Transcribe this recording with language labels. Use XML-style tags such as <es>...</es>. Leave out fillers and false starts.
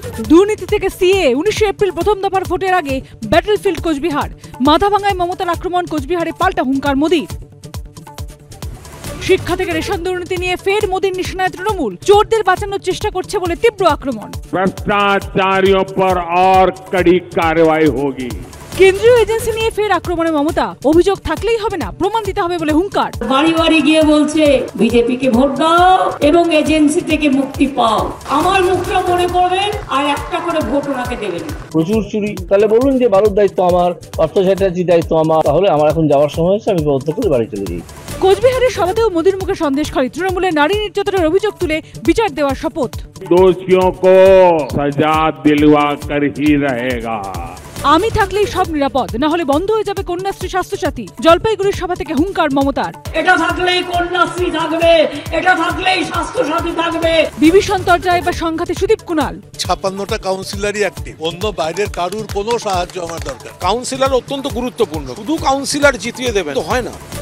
<bn>দুর্নীতি থেকে CAA, 19 April প্রথম দফার ভোটের আগে ব্যাটলফিল্ড কোচবিহার, মাথাভাঙায় মমতার আক্রমণ কোচবিহারে, পাল্টা হুঙ্কার মোদীর। শিক্ষা থেকে রেশন দুর্নীতি নিয়ে ফের মোদীর নিশানায় তৃণমূল, চোরদের বাঁচানোর চেষ্টা করছে বলে তীব্র আক্রমণ।</bn> <hi>ভ্রষ্টাচারিয়ों पर और कड़ी कार्रवाई होगी।</hi> <bn>কেন্দ্রীয় এজেন্সি নিয়ে ফের আক্রমণে মমতা, অভিযোগ থাকলেই হবে না, প্রমাণ দিতে হবে বলে হুঙ্কার। বাড়ি বাড়ি গিয়ে বলছে বিজেপিকে ভোট দাও এবং এজেন্সি থেকে মুক্তি পাও, আমার মুখটা মনে পড়বেন আর একটা করে ভোট ওনাকে দেবেন। প্রচুর চুরি, তাহলে বলুন যে বারুদ দায়িত্ব আমার, অর্থ চ্যাটার্জির দায়িত্ব আমার, তাহলে আমার এখন যাওয়ার সময় হয়েছে, আমি বদ্ধ করে বাড়ি চলে যাই। কোচবিহারের সভাতেও মোদীর মুখে সন্দেশ খালি, তৃণমূলের নারী নির্যাতনের অভিযোগ তুলে বিচার দেওয়ার শপথ।</bn> <hi>দোষীয়ों को सजा दिलवा कर ही रहेगा।</hi> <bn>আমি থাকলেই সব নিরাপদ, না হলে বন্ধ হয়ে যাবে কন্যাশ্রী স্বাস্থ্যসাথী, জলপাইগুড়ির সভা থেকে হুঙ্কার মমতার। এটা থাকলেই কন্যাশ্রী থাকবে, এটা থাকলেই স্বাস্থ্যসাথী থাকবে। বিভীষণ তর্জায় বা সংঘাতে সুদীপ কুণাল, 56টা কাউন্সিলরই অ্যাক্টিভ, অন্য বাইরের কারুর কোনো সাহায্য আমার দরকার, কাউন্সিলর অত্যন্ত গুরুত্বপূর্ণ, শুধু কাউন্সিলর জিতিয়ে দেবেন তো হয় না।</bn>